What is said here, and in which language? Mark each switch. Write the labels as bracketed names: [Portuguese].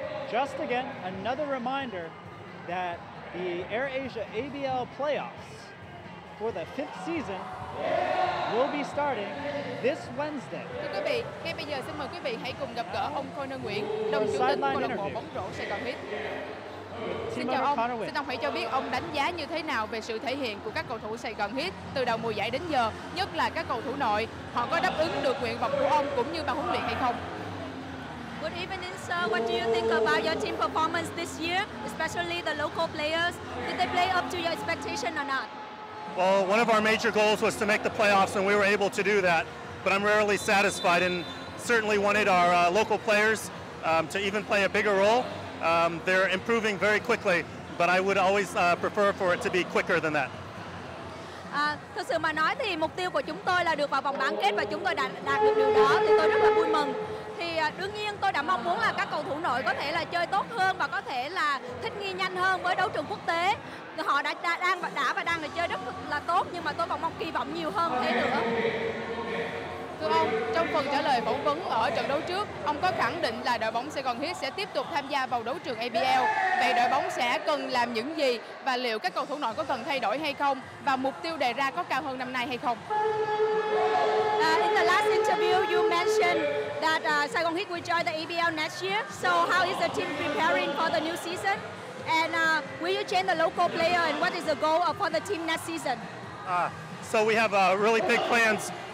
[English] Just again, another reminder that the AirAsia ABL playoffs for the fifth season will be starting this Wednesday. [Vietnamese] Thưa quý vị, ngay bây giờ xin mời quý vị hãy cùng gặp gỡ ông Connor Nguyễn, đồng chủ tịch câu lạc bộ bóng rổ Sài Gòn Heat. Xin chào ông, xin ông hãy cho biết ông đánh giá như thế nào về sự thể hiện của các cầu thủ Sài Gòn Heat từ đầu mùa giải đến giờ, nhất là các cầu thủ nội, họ có đáp ứng được nguyện vọng của ông cũng như ban huấn luyện hay không? [English] Good evening, sir. What do you think about your team performance this year, especially the local players? Did they play up to your expectation or not? Well, one of our major goals was to make the playoffs, and we were able to do that. But I'm rarely satisfied, and certainly wanted our local players to even play a bigger role. They're improving very quickly, but I would always prefer for it to be quicker than that. [Vietnamese] Thực sự mà nói thì mục tiêu của chúng tôi là được vào vòng bán kết và chúng tôi đạt được điều đó thì tôi rất là vui mừng. Thì đương nhiên tôi đã mong muốn là các cầu thủ nội có thể là chơi tốt hơn và có thể là thích nghi nhanh hơn với đấu trường quốc tế. Họ đã và đang là chơi rất là tốt, nhưng mà tôi còn mong kỳ vọng nhiều hơn thế nữa. Thưa ông, trong phần trả lời phỏng vấn ở trận đấu trước, ông có khẳng định là đội bóng Sài Gòn Heat sẽ tiếp tục tham gia vào đấu trường ABL. Vậy đội bóng sẽ cần làm những gì và liệu các cầu thủ nội có cần thay đổi hay không và mục tiêu đề ra có cao hơn năm nay hay không? [English] In the last interview, you mentioned that Sài Gòn Heat will join the ABL next year. So how is the team preparing for the new season? And will you change the local player and what is the goal for the team next season? So we have really big plans.